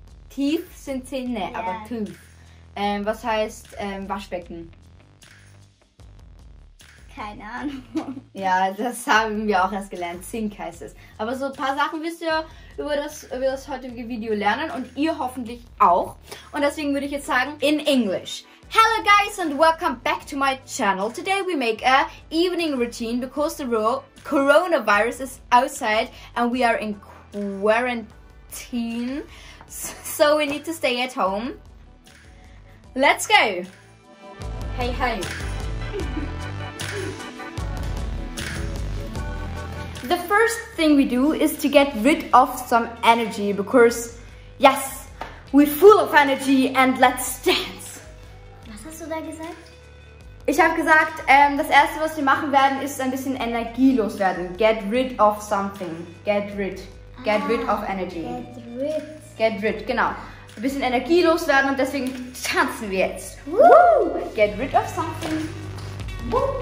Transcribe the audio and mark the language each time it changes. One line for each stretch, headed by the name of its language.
German: Teeth sind Zähne,
English: yeah.
German: Aber Tooth. Was heißt Waschbecken? Keine Ahnung. Ja, das haben wir auch erst gelernt. Sink heißt es. Aber so ein paar Sachen wisst ihr über das heutige Video lernen und ihr hoffentlich auch. Und deswegen würde ich jetzt sagen,
English: in English. Hello guys and welcome back to my channel. Today we make a evening routine because the coronavirus is outside and we are in quarantine. So we need to stay at home. Let's go. Hey, hey. The first thing we do is to get rid of some energy because, yes, we're full of energy and let's dance.
German: Was hast du da gesagt? Ich habe gesagt, das erste, was wir machen werden, ist ein bisschen energielos werden.
English: Get rid of something. Get rid. Get rid of energy. Get rid. Get rid, genau.
German: Ein bisschen energielos werden und deswegen tanzen wir jetzt.
English: Woo! Get rid of something. Woo!